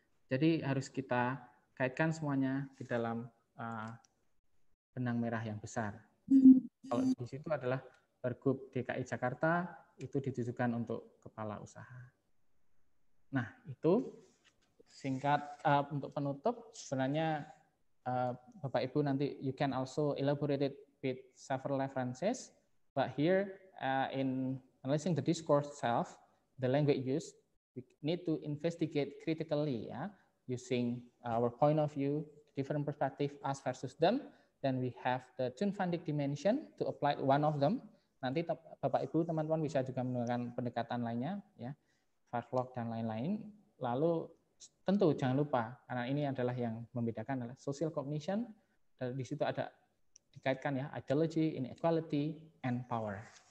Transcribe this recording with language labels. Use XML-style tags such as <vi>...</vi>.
<id>Jadi harus kita kaitkan semuanya di dalam benang merah yang besar. Kalau di situ adalah Pergub DKI Jakarta, itu ditujukan untuk kepala usaha. Nah, itu singkat untuk penutup. Sebenarnya Bapak Ibu nanti</id> <en>you can also elaborate it with several references, but here in analyzing the discourse itself, the language used, we need to investigate critically, ya, using our point of view, different perspective, us versus them. Then we have the tune funding dimension to apply one of them.</en> <id>Nanti Bapak Ibu teman-teman bisa juga menggunakan pendekatan lainnya, ya, farlock dan lain-lain. Lalu tentu jangan lupa, karena ini adalah yang membedakan adalah social cognition, dan di situ ada dikaitkan, ya,</id> <en>ideology, inequality, and power.</en>